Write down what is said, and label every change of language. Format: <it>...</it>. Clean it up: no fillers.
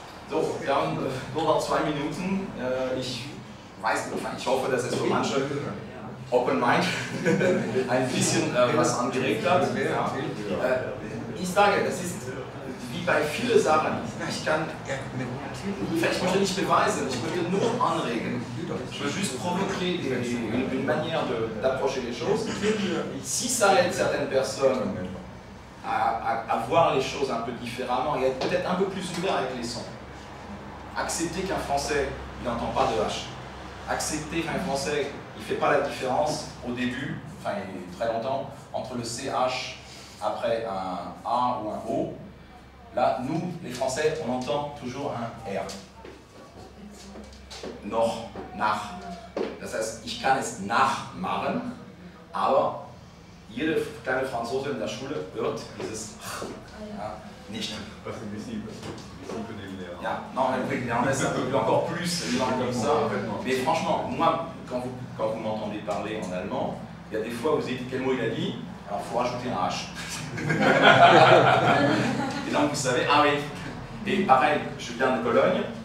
<de>So, wir haben nur noch 2 Minuten, ich weiß nicht, ich hoffe, dass es für manche Open Mind ein bisschen was angeregt hat. Ja. Ich sage, das ist wie bei vielen Sachen. Ich kann, vielleicht möchte ich nicht beweisen, ich möchte nur anregen. Ich möchte</de> <fr>juste provoquer une manière d'approcher les choses. Si ça aide certaines personnes à voir les choses un peu différemment et être peut-être un peu plus ouvert avec les sons, accepter qu'un Français n'entend pas de H, accepter qu'un Français ne fait pas la différence au début, enfin il y a très longtemps, entre le CH après un A ou un O. Là, nous, les Français, on entend toujours un R.</fr> <de>Noch, nach. Das heißt, ich kann es nachmachen, aber jede kleine Franzose in der Schule hört dieses Ch, ja, nicht. Was ein bisschen für den Lehrer.</de> <fr>Ja, non, mais vous comprenez, c'est un peu encore plus, genre comme ça. Mais franchement, moi, quand vous m'entendez parler en allemand, il y a des fois où vous dites quel mot il a dit, alors il faut rajouter un H. Et donc vous savez, ah oui. Et pareil, je viens de Cologne.</fr>